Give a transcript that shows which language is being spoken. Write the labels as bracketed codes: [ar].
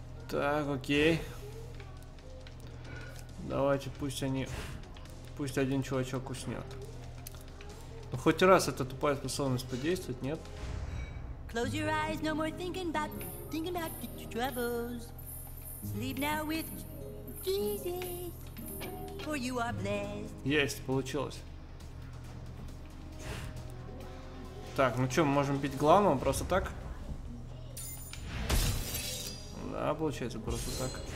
[ru] Так, окей. Давайте пусть один чувачок уснет. Ну хоть раз эта тупая способность подействует, нет? [en] Close your eyes, no more thinking about your troubles. Sleep now with Jesus, for you are blessed. [ru] Есть, получилось. Так, ну что, мы можем бить главного просто так? Да, получается, просто так.